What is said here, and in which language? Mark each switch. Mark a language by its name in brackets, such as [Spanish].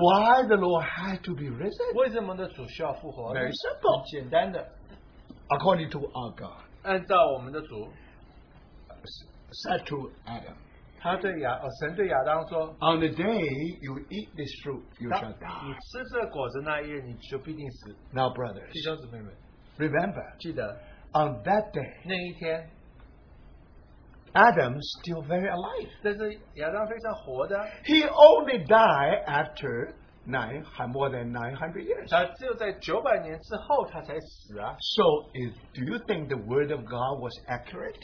[English] why the Lord had to be risen? [Chinese] 为什么的主需要复活? [English] Very simple. [Chinese] 简单的, [English] according to our God, [Chinese] 按照我们的主, [English] said to Adam, [Chinese] 他对亚, 哦, 神对亚当说, [English] on the day you eat this fruit, you shall die. [Chinese] 你吃这个果子那一日, 你就必定死。 [English] Now, brothers, [Chinese] 弟兄姊妹们, [English] remember, [Chinese] 记得, [English] on that day, [Chinese] 那一天, [English] Adam still very alive. [Chinese] 但是亚当非常活的, [English] he only died after more than 900 years. [Chinese] 他只有在900年之后他才死啊。 [English] So, do you think the word of God was accurate?